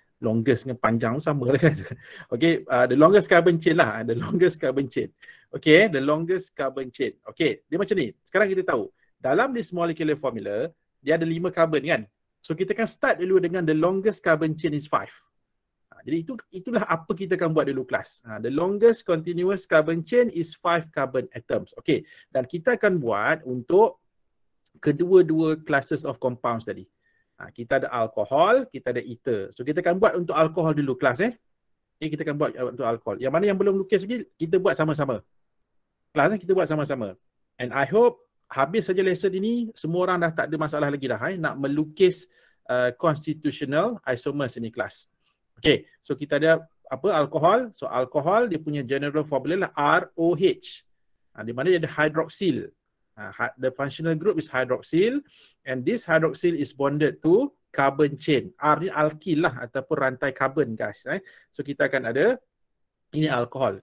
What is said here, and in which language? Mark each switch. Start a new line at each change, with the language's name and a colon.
Malay: Longest dengan panjang sama lah kan?
English: Okay, the longest carbon chain
Malay: lah.
English: The longest carbon chain. Okay, the longest carbon chain. Okay,
Malay: dia macam ni. Sekarang kita tahu, dalam
English: this molecular formula,
Malay: dia ada 5 carbon kan?
English: So,
Malay: kita kan start dulu dengan
English: the longest carbon chain is 5.
Malay: Jadi, itu itulah apa kita akan buat dulu kelas.
English: The longest continuous carbon chain is 5 carbon atoms.
Malay: Okay, dan kita akan buat untuk kedua-dua
English: classes of compounds
Malay: tadi. Kita ada alkohol, kita ada ether. So kita akan buat untuk alkohol dulu kelas eh. Okay, kita akan buat untuk alkohol. Yang mana yang belum lukis lagi, kita buat sama-sama. Kelas kita buat sama-sama.
English: And I hope
Malay: habis saja lesson ini, semua orang dah tak ada masalah lagi dah nak melukis constitutional isomers ini kelas. Okay, so kita ada apa alkohol. So alkohol dia punya general formula lah ROH. Di mana dia ada hydroxyl.
English: The functional group is hydroxyl. And this hydroxyl is bonded to carbon chain.
Malay: R ni alkyl lah ataupun rantai carbon guys. So kita akan ada ini alcohol.